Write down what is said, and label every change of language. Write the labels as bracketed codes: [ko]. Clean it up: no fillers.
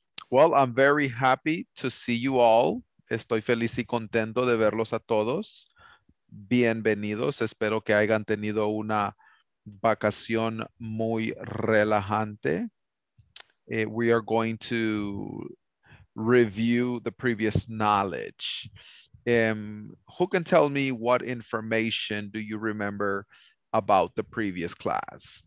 [en] Well, I'm very happy to see you all. [es] Estoy feliz y contento de verlos a todos. Bienvenidos. Espero que hayan tenido una vacación muy relajante. [en] We are going to review the previous knowledge. Who can tell me what information do you remember about the previous class?